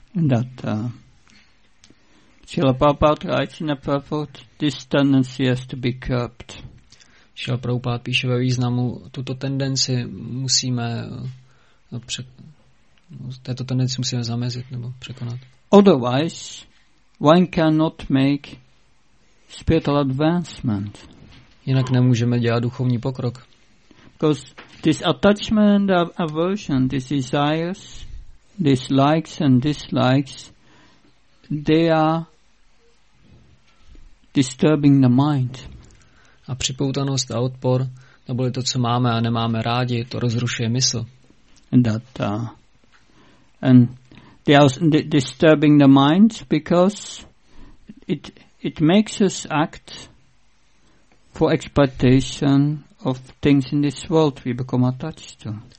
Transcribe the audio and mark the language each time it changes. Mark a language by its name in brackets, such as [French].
[English] That Srila Prabhupada writes in a purport, this tendency has to be curbed. [Czech] Srila Prabhupada píše ve významu, tuto tendenci musíme této tendenci musíme zamezit nebo překonat. [English] Otherwise, one cannot make spiritual advancement. [Czech] Jinak nemůžeme dělat duchovní pokrok. [English] Because this attachment of aversion, these desires, these likes and dislikes, they are disturbing the mind. [Czech] A připoutanost a odpor, to bylo to, co máme a nemáme rádi, to rozrušuje mysl. [English] That, and they are disturbing the mind because it makes us act for expectation of things in this world we become attached to.